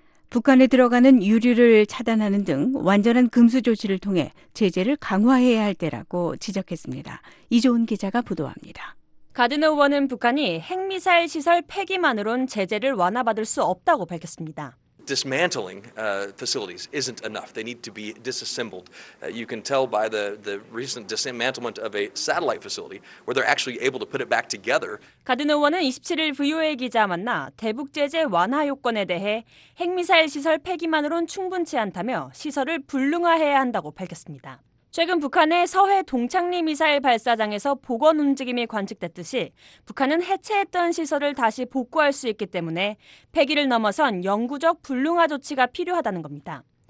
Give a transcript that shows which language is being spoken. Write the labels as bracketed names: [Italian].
[Korean] 북한에 들어가는 유류를 차단하는 등 완전한 금수 조치를 통해 제재를 강화해야 할 때라고 지적했습니다. 이조은 기자가 보도합니다. 가드너 의원은 북한이 핵미사일 시설 폐기만으론 제재를 완화받을 수 없다고 밝혔습니다. [English] Dismantling facilities isn't enough. They need to be disassembled. You can tell by the recent dismantlement of a satellite facility where they're actually able to put it back together. [Korean] 가든 의원은 27일 VOA 기자 만나 대북 제재 완화 요건에 대해 핵미사일 시설 폐기만으론 충분치 않다며 시설을 불능화해야 한다고 밝혔습니다. 최근 북한의 서해 동창리 미사일 발사장에서 복원 움직임이 관측됐듯이 북한은 해체했던 시설을 다시 복구할 수 있기 때문에 폐기를 넘어선 영구적 불능화 조치가 필요하다는 겁니다.